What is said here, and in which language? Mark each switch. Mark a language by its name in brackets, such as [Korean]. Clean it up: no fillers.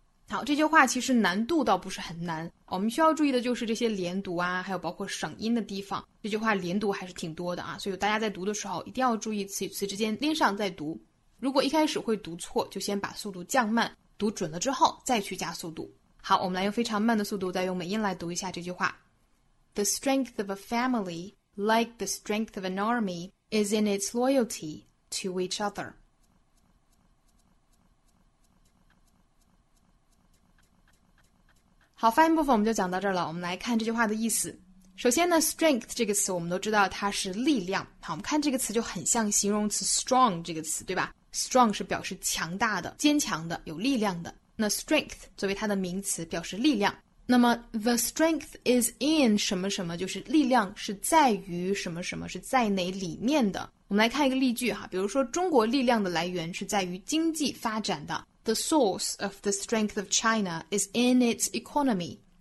[Chinese] 好，这句话其实难度倒不是很难，我们需要注意的就是这些连读啊，还有包括省音的地方，这句话连读还是挺多的啊，所以大家在读的时候一定要注意词与词之间连上再读，如果一开始会读错就先把速度降慢，读准了之后再去加速度。好，我们来用非常慢的速度再用美音来读一下这句话。 [English] The strength of a family like the strength of an army is in its loyalty to each other。 [Chinese] 好，发音部分我们就讲到这儿了。我们来看这句话的意思。首先呢 ，strength 这个词我们都知道它是力量。好，我们看这个词就很像形容词 strong 这个词，对吧 ？strong 是表示强大的、坚强的、有力量的。那 strength 作为它的名词表示力量。那么 [English] the strength is in [Chinese] 什么什么，就是力量是在于什么什么，是在哪里面的。我们来看一个例句哈，比如说中国力量的来源是在于经济发展的。 [English] The source of the strength of China is in its economy.